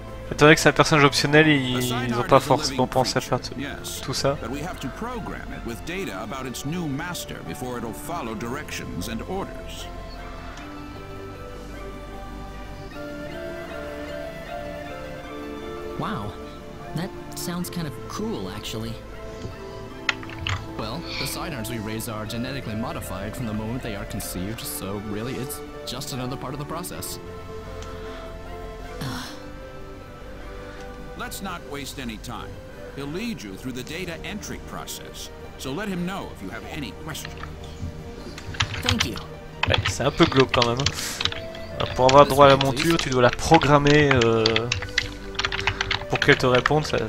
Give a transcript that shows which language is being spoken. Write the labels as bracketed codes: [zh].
[fr] Étant donné que c'est un personnage optionnel, ils ont pas forcément pensé à faire tout ça. [en] But we have to program it with data about its new master before it'll follow directions and orders. Wow. That sounds kind of cool, actually. Well, the sidearms we raise are genetically modified from the moment they are conceived, so really, it's just another part of the process. Let's not waste any time. He'll lead you through the data entry process, so let him know if you have any questions. Thank you. [fr] Ouais, c'est un peu glauque quand même. Pour avoir droit à la monture, tu dois la programmer pour qu'elle te réponde.